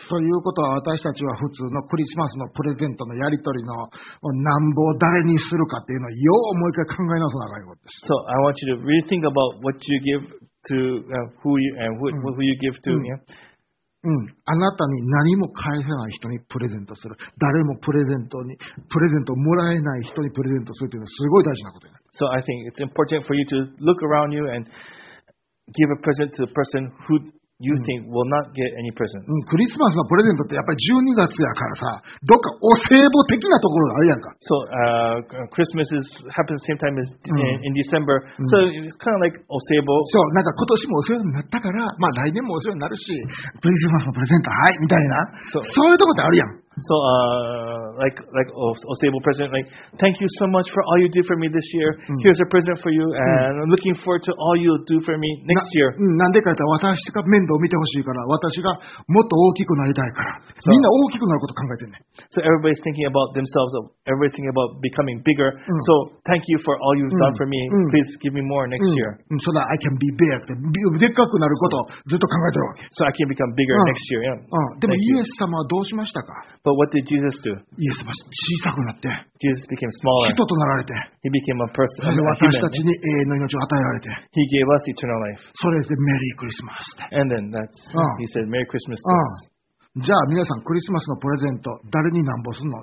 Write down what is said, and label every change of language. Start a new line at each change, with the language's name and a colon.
Japanese: ということは私たちは普通のクリスマスのプレゼントのやり取りの何ぼを誰にするかっていうのをよう思い返し考え直さなきゃいけないです。
English: So I want you to rethink about what you give to who you give to.
Japanese: あなたに何も返せない人にプレゼントする、誰もプレゼントをもらえない人にプレゼントするというのはすごい大事なことです。
English: So I think it's important for you to look around you and give a present to the person who you think will not get any presents.
Japanese: クリスマスのプレゼントってやっぱり12月やからさ、どっかお歳暮的なところがあるやんか。
English: So Christmas happens same time as in December. So it's kind of like お歳暮。
Japanese: そう、なんか今年もお歳暮になったから、まあ来年もお歳暮になるし、クリスマスのプレゼントはいみたいな。そういうとこってあるやん。
English: So like お歳暮 present, like thank you so much for all you did for me this year. Here's a present for you, and I'm looking forward to all you'll do for me next year.
Japanese: なんでか言ったら私が面倒を見てほしいから、私がもっと大きくなりたいから。みんな大きくなること考えてね。
English: So everybody's thinking about themselves, everything about becoming bigger. So thank you for all you've done for me. Please give me more next year. So that I can be big.
Japanese: でっかくなることをずっと考えてるわけ。
English: So I can become bigger next year.
Japanese: でもイエス様はどうしましたか？
English: But what did Jesus do?
Japanese: イエス様は小さくなって、
English: Jesus became smaller.
Japanese: 人となられて、
English: He became a person.
Japanese: 私たちに永遠の命を与えられて、
English: He gave us eternal life.
Japanese: それでメリークリスマス。
English: And then that's, He said, Merry Christmas.
Japanese: じゃあ皆さん、クリスマスのプレゼント誰に何ぼするの？